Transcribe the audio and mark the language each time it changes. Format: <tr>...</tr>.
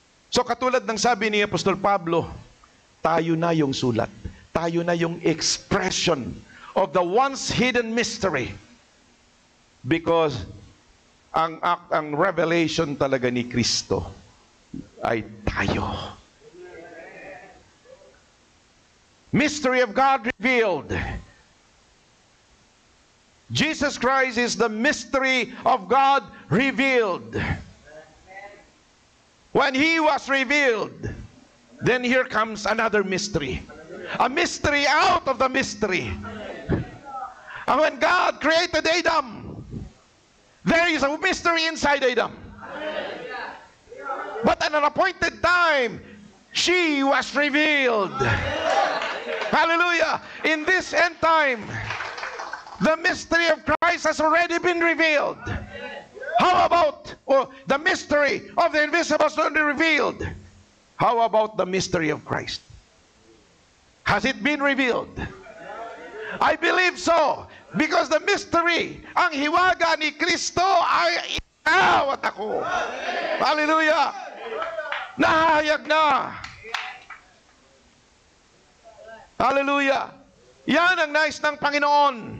<tl>So katulad ng sabi ni Apostol Pablo, tayo na yung sulat. Tayo na yung</tl> <en>expression of the once hidden mystery.</en> <tl>Because ang revelation talaga ni Kristo ay tayo.</tl> <en>Mystery of God revealed. Jesus Christ is the mystery of God revealed. When He was revealed, then here comes another mystery. A mystery out of the mystery. And when God created Adam, there is a mystery inside Adam. But at an appointed time, she was revealed. Hallelujah! In this end time, the mystery of Christ has already been revealed. How about the mystery of the invisible has already revealed? How about the mystery of Christ? Has it been revealed? I believe so. Because the mystery,</en> <tl>ang hiwaga ni Kristo ay inaawat ako. Hallelujah! Nahayag na! Hallelujah! Yan ang nais ng Panginoon.</tl>